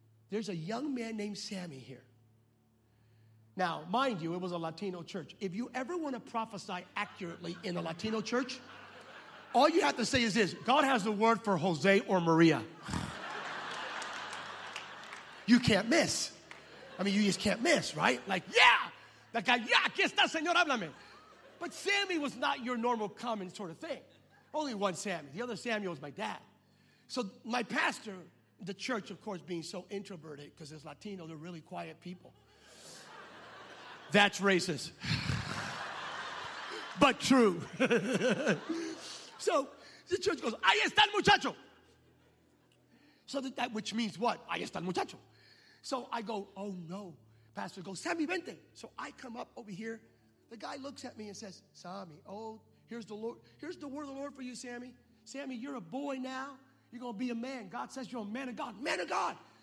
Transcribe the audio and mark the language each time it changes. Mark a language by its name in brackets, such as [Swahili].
[English] There's a young man named Sammy here. Now, mind you, it was a Latino church. If you ever want to prophesy accurately in a Latino church, all you have to say is this: God has a word for Jose or Maria. You can't miss. I mean, you just can't miss, right? Like, yeah! That guy, yeah, [Spanish] aquí está, señor, háblame. [English] But Sammy was not your normal common sort of thing. Only one Sammy. The other Sammy was my dad. So my pastor, the church, of course, being so introverted, because as Latino, they're really quiet people. That's racist, but true. So the church goes, [Spanish] ahí está el muchacho. [English] So that which means what? [Spanish] Ahí está el muchacho. [English] So I go, oh no. Pastor goes, Sammy, [Spanish] vente. [English] So I come up over here. The guy looks at me and says, Sammy, oh, here's the Lord. Here's the word of the Lord for you, Sammy. Sammy, you're a boy now. You're going to be a man. God says you're a man of God. Man of God.